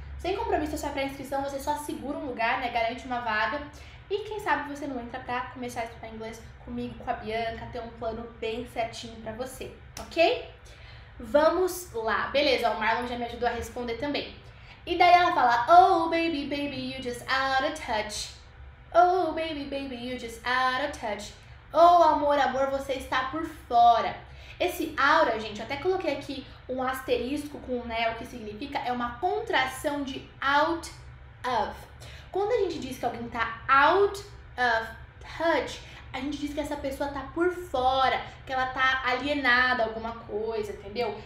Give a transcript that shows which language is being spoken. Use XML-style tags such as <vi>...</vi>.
<pt>Sem compromisso a sua pré-inscrição, você só segura um lugar, né, garante uma vaga. E quem sabe você não entra para começar a estudar inglês comigo, com a Bianca, ter um plano bem certinho para você, ok? Vamos lá. Beleza, o Marlon já me ajudou a responder também.</pt> <en>E daí ela fala, oh baby, baby, you just out of touch. Oh baby, baby, you just out of touch.</en> <pt>Oh amor, amor, você está por fora. Esse aura, gente, eu até coloquei aqui um asterisco com né, o que significa, é uma contração de out of. Quando a gente diz que alguém está</pt> <en>out of touch,</en> <pt>a gente diz que essa pessoa tá por fora, que ela tá alienada, alguma coisa, entendeu?</pt>